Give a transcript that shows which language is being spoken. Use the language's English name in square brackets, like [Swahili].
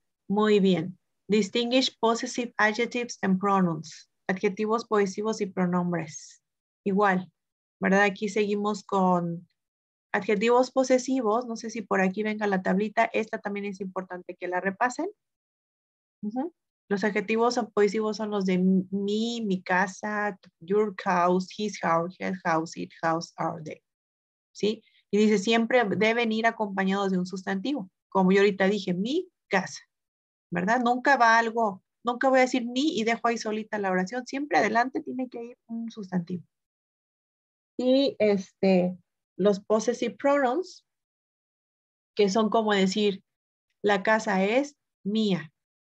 [Spanish] Muy bien. [English] Distinguish possessive adjectives and pronouns. [Spanish] Adjetivos posesivos y pronombres. Igual, ¿verdad? Aquí seguimos con adjetivos posesivos. No sé si por aquí venga la tablita. Esta también es importante que la repasen. Los adjetivos posesivos son los de me, mi casa, [English] your house, his house, her house, it house, our day. [Spanish] ¿Sí? Y dice siempre deben ir acompañados de un sustantivo. Como yo ahorita dije, mi casa. ¿Verdad? Nunca va algo, nunca voy a decir mi y dejo ahí solita la oración. Siempre adelante tiene que ir un sustantivo. Y los possessive pronouns, que son como decir, la casa es mía.